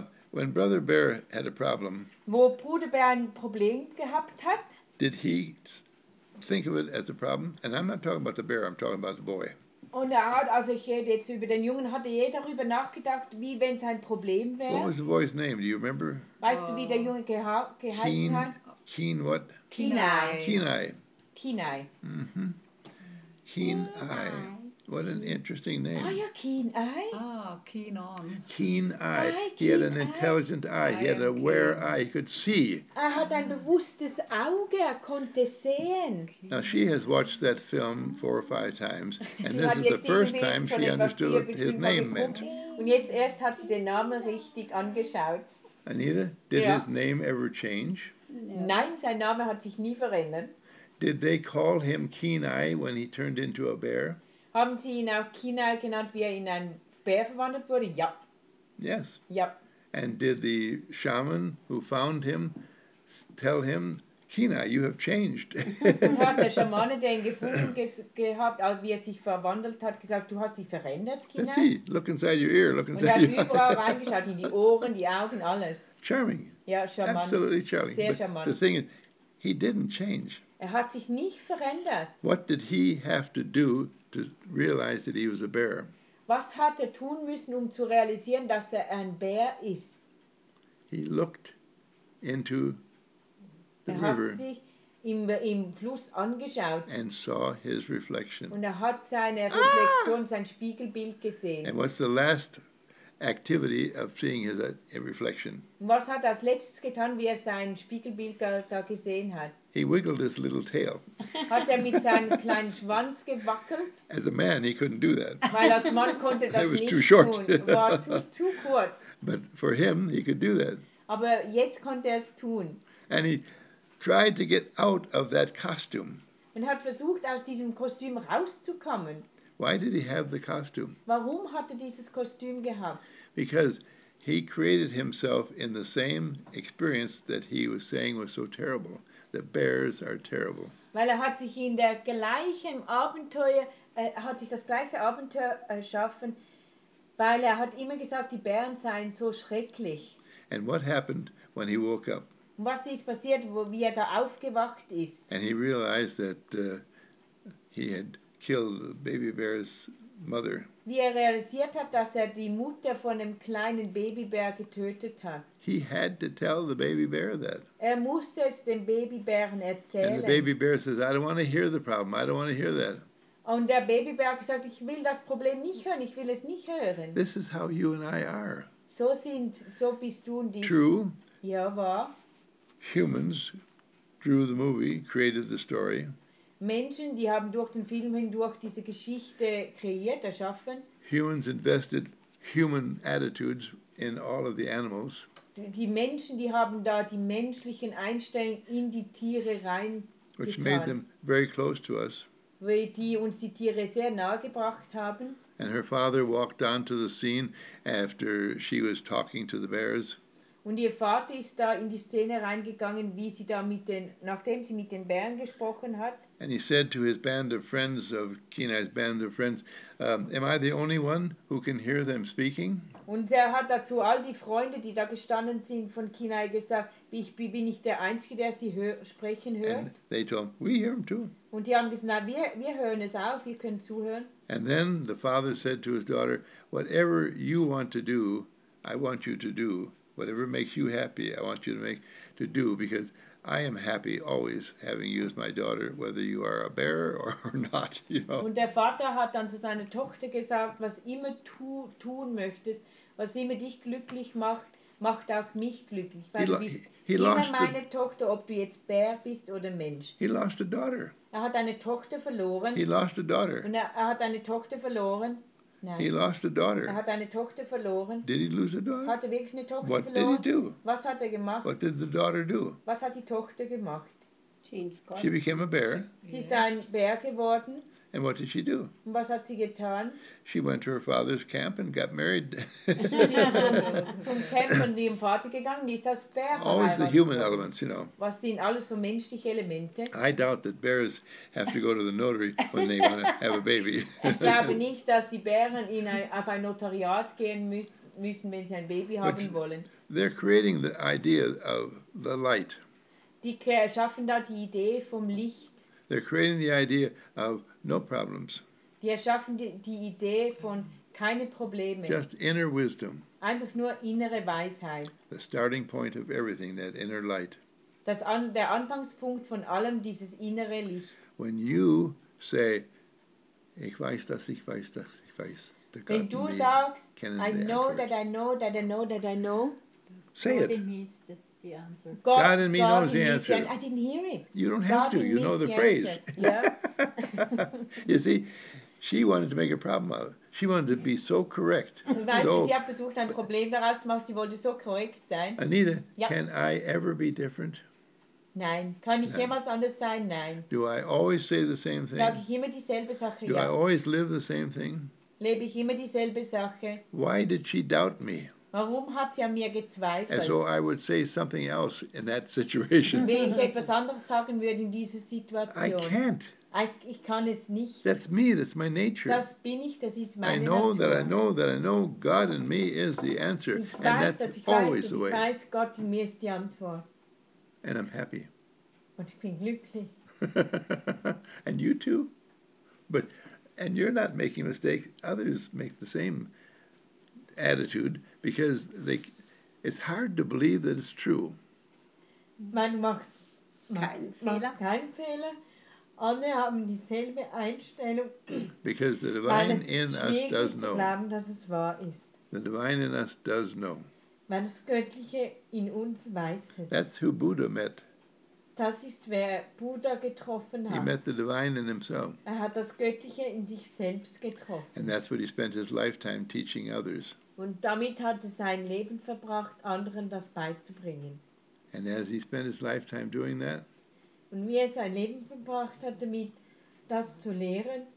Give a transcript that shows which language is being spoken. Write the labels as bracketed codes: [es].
[en] When Brother Bear had a problem, [de] wo Bruder Bär ein Problem gehabt hat, [en] did he think of it as a problem? And I'm not talking about the bear, I'm talking about the boy. [de] Und er hat, also ich rede jetzt über den Jungen, hat er je darüber nachgedacht, wie wenn es ein Problem wäre? [en] What was the boy's name? Do you remember? [de] Weißt du, wie der Junge geheißen hat? [en] Keen what? Kenai. Kenai. Mm-hmm. Keen Eye. What an interesting name. Oh, you're Keen Eye? Oh, Keen On. Keen Eye. Eye keen he had an intelligent eye. Eye. He had an aware eye. He could see. [de] Er hat ein bewusstes Auge. Er konnte sehen. [en] Now, she has watched that film 4 or 5 times, and this is the first time she understood what his name meant. [de] Und jetzt erst hat sie den Namen richtig angeschaut. [en] Anita, did his name ever change? No. [de] Nein, sein Name hat sich nie verändert. [en] Did they call him Kenai when he turned into a bear? [de] Haben sie ihn auch Kenai genannt, wie er in einen Bär verwandelt wurde? Ja. [en] Yes. [de] Ja. [en] And did the shaman who found him tell him, Kenai, you have changed? [de] Und hat der Schamane, der ihn gefunden gehabt, wie er sich verwandelt hat, gesagt, du hast dich verändert, Kenai? [en] Let's see. Look inside your ear. Look inside your eye. [de] Und er hat überall reingeschaut, in die Ohren, die Augen, alles. [en] Charming. [de] Ja, charmant. [en] Absolutely charming. [de] Sehr charmant. [en] The thing is, he didn't change. [de] Er hat sich nicht verändert. [en] What did he have to do to realize that he was a bear? [de] Was hat er tun müssen, um zu realisieren, dass er ein Bär ist? [en] He looked into the river. [de] Er hat sich im Fluss angeschaut. [en] And saw his reflection. [de] Und er hat seine Reflexion, sein Spiegelbild gesehen. [en] And what's the last activity of seeing his reflection? [de] Was hat er als letztes getan, wie er sein Spiegelbild da gesehen hat? [en] He wiggled his little tail. [de] Hat er mit seinem kleinen Schwanz gewackelt? [en] As a man, he couldn't do that. [de] Weil als Mann konnte das [en] it was [de] nicht [en] too short. [de] Tun. War zu kurz. [en] But for him, he could do that. [de] Aber jetzt konnte er es tun. [en] And he tried to get out of that costume. [de] Und hat versucht, aus diesem Kostüm rauszukommen. [en] Why did he have the costume? [de] Warum hatte dieses Kostüm gehabt? [en] Because he created himself in the same experience that he was saying was so terrible. The bears are terrible. [de] Weil er hat sich in der gleichen Abenteuer hat sich das gleiche Abenteuer erschaffen, weil er hat immer gesagt, die Bären seien so schrecklich. [en] And what happened when he woke up? [de] Und was ist passiert, wie er da aufgewacht ist? [en] And he realized that he had killed the baby bear's mother. [de] Wie er realisiert hat, dass er die Mutter von einem kleinen Babybär getötet hat. [en] He had to tell the baby bear that. [de] Er musste es dem Babybären erzählen. [en] And the baby bear says, I don't want to hear the problem. I don't want to hear that. [de] Und der Babybär sagt, ich will das Problem nicht hören. Ich will es nicht hören. [en] This is how you and I are. [de] So bist du und ich. [en] True. [de] Ja, wahr. [en] Humans drew the movie, created the story. [de] Menschen, die haben durch den Film hindurch diese Geschichte kreiert, erschaffen. [en] Humans invested human attitudes in all of the animals. [de] Die Menschen, die haben da die menschlichen Einstellungen in die Tiere rein [en] which [de] getan, [en] made them very close to us. [de] Weil die uns die Tiere sehr nahe gebracht haben. [en] And her father walked onto the scene after she was talking to the bears. [de] Und ihr Vater ist da in die Szene reingegangen, wie sie da mit den, nachdem sie mit den Bären gesprochen hat. [en] And he said to his band of friends, of Kenai's band of friends, am I the only one who can hear them speaking? [de] Und er hat dazu all die Freunde, die da gestanden sind, von Kenai gesagt, bin ich der Einzige, der sie sprechen hört? [en] And they told him, we hear them too. [de] Und die haben gesagt, wir hören es auch, wir können zuhören. [en] And then the father said to his daughter, whatever you want to do, I want you to do. Whatever makes you happy, I want you to do, because I am happy always having you as my daughter, whether you are a bear or not. You know? [de] Und der Vater hat dann zu seiner Tochter gesagt, was immer du tun möchtest, was immer dich glücklich macht, macht auch mich glücklich. Weil du bist immer meine Tochter, ob du jetzt Bär bist oder Mensch. [en] He lost a daughter. [de] Er hat eine Tochter verloren. [en] He lost a daughter. [de] Und er hat eine Tochter verloren. Nein. [en] He lost a daughter. [de] Er hat eine Tochter verloren. [en] Did he lose a daughter? [de] Hat er wirklich eine Tochter [en] What [de] verloren? [en] Did he do? [de] Was hat er gemacht? [en] What did the daughter do? [de] Was hat die Tochter gemacht? [en] She became a bear. [de] Sie ist ein Bär geworden. [en] And what did she do? [de] Und was hat sie getan? [en] She went to her father's camp and got married. [de] Zum Camp und ihrem Vater gegangen, ist als Bär. [en] Always the human elements, you know. [de] Was sind alles so menschliche Elemente? [en] I doubt that bears have to go to the notary when they want to have a baby. [de] Ich glaube nicht, dass die Bären auf ein Notariat gehen müssen, wenn sie ein Baby haben wollen. [en] They're creating the idea of the light. [de] Die schaffen da die Idee vom Licht. [en] They're creating the idea of no problems. [de] Die erschaffen die Idee von keine Probleme. [en] Just inner wisdom. [de] Einfach nur innere Weisheit. [en] The starting point of everything, that inner light. [de] Der Anfangspunkt von allem, dieses innere Licht. [en] When you say, [de] ich weiß, dass ich weiß, dass ich weiß. Wenn du sagst, [en] I know that I know that I know that I know. Say it. The answer. God in me God knows the answer. I didn't hear it. You don't have God to. You know the phrase. Yeah. You see, she wanted to make a problem out of it. She wanted to be so correct. Anita, can I ever be different? [de] Nein. Kann ich jemals anders sein? Nein. [en] Do I always say the same thing? [de] Sag ich immer dieselbe Sache, [en] Do I always live the same thing? [de] Lebe ich immer dieselbe Sache? [en] Why did she doubt me? [de] Warum hat sie an mir gezweifelt? [en] As though I would say something else in that situation. [de] Wie ich etwas anderes sagen würde in dieser Situation. [en] I can't. [de] Ich kann es nicht. [en] That's me, that's my nature. [de] Das bin ich, das ist meine Natur. [en] I know that I know that I know God in me is the answer. And that's always the way. [de] Ich weiß, Gott in mir ist die Antwort. [en] And I'm happy. [de] Und ich bin glücklich. [en] And you too. And you're not making mistakes. Others make the same attitude because it's hard to believe that it's true. [de] Man macht keinen Fehler. Alle haben dieselbe Einstellung. [en] Because the divine in us does know. [de] Glauben, dass es wahr ist. [en] The divine in us does know. [de] Weil das Göttliche in uns weiß es. [en] That's who Buddha met. [de] Das ist, wer Buddha getroffen hat. [en] He met the divine in himself. [de] Er hat das Göttliche in sich selbst getroffen. [en] And that's what he spent his lifetime teaching others. [de] Und damit hat er sein Leben verbracht, anderen das beizubringen. [en] And as he spent his lifetime doing that, [de] und wie er sein Leben verbracht hat, damit das zu lehren,